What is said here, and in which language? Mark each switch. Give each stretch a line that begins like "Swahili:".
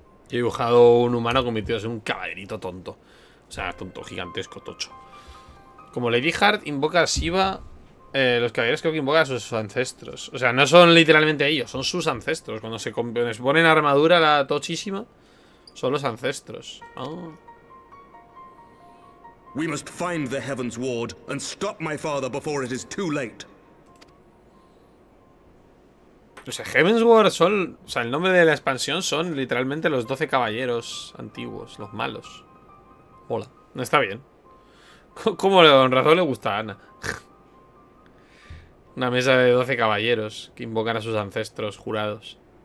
Spanish: He dibujado un humano convertido en un caballerito tonto. O sea, tonto, gigantesco, tocho. Como Lady Heart invoca a Shiva, los caballeros creo que invocan a sus ancestros. O sea, no son literalmente ellos, son sus ancestros. Cuando se les ponen armadura la tochísima, son los ancestros. Oh.
English: We must find the Heaven's Ward and stop my father before it is too late.
Spanish: O sea, Heaven's Ward son. O sea, el nombre de la expansión son literalmente los 12 caballeros antiguos, los malos. Hola. No está bien. Como a Don Razón le gusta a Ana. Una mesa de 12 caballeros que invocan a sus ancestros jurados.